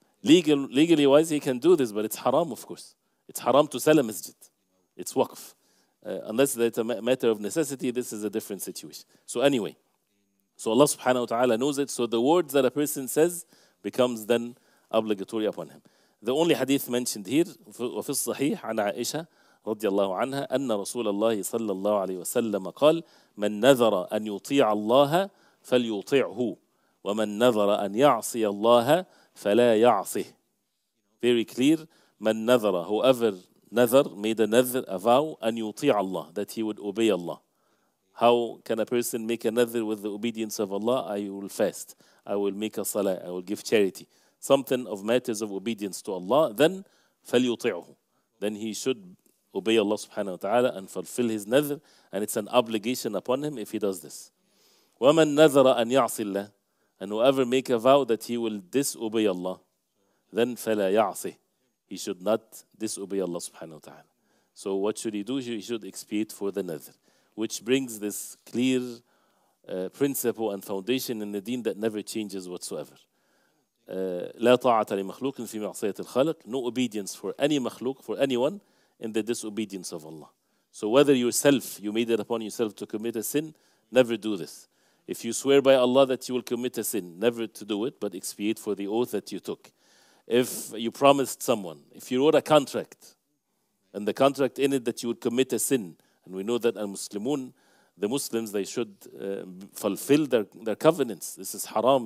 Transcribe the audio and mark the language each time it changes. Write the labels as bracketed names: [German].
[English] Legally wise, he can do this, but it's haram, of course. It's haram to sell a masjid. It's waqf. Unless it's a matter of necessity, this is a different situation. So anyway, so Allah subhanahu wa ta'ala knows it. So the words that a person says becomes then obligatory upon him. The only hadith mentioned here, [Arabic] وفي الصحيح عن عائشة رضي الله عنها أن رسول الله صلى الله عليه وسلم قال من نذر أن يطيع الله فليطيعه ومن نذر أن يعصي الله فلا يعصه. [English] Very clear. [Arabic] من نذر, [English] whoever نذر, made a نذر, a vow, [Arabic] أن يطيع الله, [English] that he would obey Allah. How can a person make a نذر with the obedience of Allah? I will fast, I will make a salah, I will give charity. Something of matters of obedience to Allah, then [Arabic] فَلْيُطِعُهُ. [English] Then he should obey Allah subhanahu wa ta'ala and fulfill his nadr, and it's an obligation upon him if he does this. [Arabic] وَمَنْ نَذَرَ أَنْ يَعْصِ اللَّهِ, [English] and whoever make a vow that he will disobey Allah, then [Arabic] فَلَا يَعْصِهِ, [English] he should not disobey Allah subhanahu wa ta'ala. So what should he do? He should expiate for the nadr, which brings this clear principle and foundation in the deen that never changes whatsoever. [Arabic] لا طاعة لمخلوق في معصية الخالق. [English] No obedience for any makhluk, for anyone, in the disobedience of Allah. So whether yourself, you made it upon yourself to commit a sin, never do this. If you swear by Allah that you will commit a sin, never to do it, but expiate for the oath that you took. If you promised someone, if you wrote a contract, and the contract in it that you would commit a sin, and we know that al-Muslimun, the Muslims, they should fulfill their covenants. This is haram.